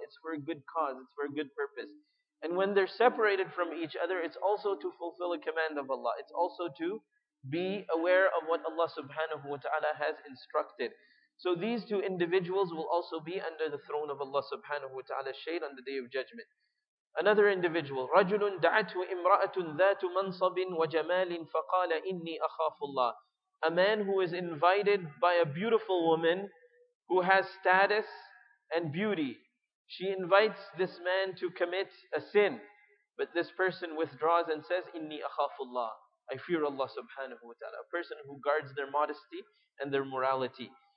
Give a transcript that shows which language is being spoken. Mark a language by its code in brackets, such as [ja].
[en] It's for a good cause, it's for a good purpose. And when they're separated from each other, it's also to fulfill a command of Allah. It's also to be aware of what Allah subhanahu wa ta'ala has instructed. So these two individuals will also be under the throne of Allah subhanahu wa ta'ala, shade on the Day of Judgment. Another individual, [ar] رَجُلٌ دَعَتْهُ إِمْرَأَةٌ ذَاتُ مَنْصَبٍ وَجَمَالٍ فَقَالَ إِنِّي أَخَافُ اللَّهِ. [en] A man who is invited by a beautiful woman who has status and beauty. She invites this man to commit a sin. But this person withdraws and says, [ar] إِنِّي أَخَافُ اللَّهِ. [en] I fear Allah subhanahu wa ta'ala. A person who guards their modesty and their morality.